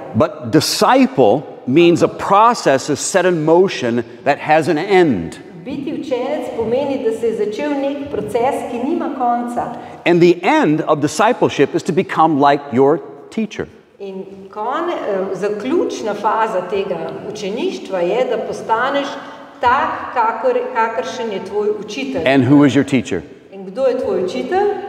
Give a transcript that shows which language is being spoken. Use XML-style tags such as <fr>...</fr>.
<en>But disciple means a process is set in motion that has an end.</en> <sl>Biti učenec pomeni, da se je začel nek proces, ki nima konca.</sl> <en>And the end of discipleship is to become like your teacher.</en> <sl>In zaključna faza tega učeništva je, da postaneš tak, kakršen je tvoj učitelj.</sl> <en>And who is your teacher?</en> <sl>In kdo je tvoj učitelj?</sl>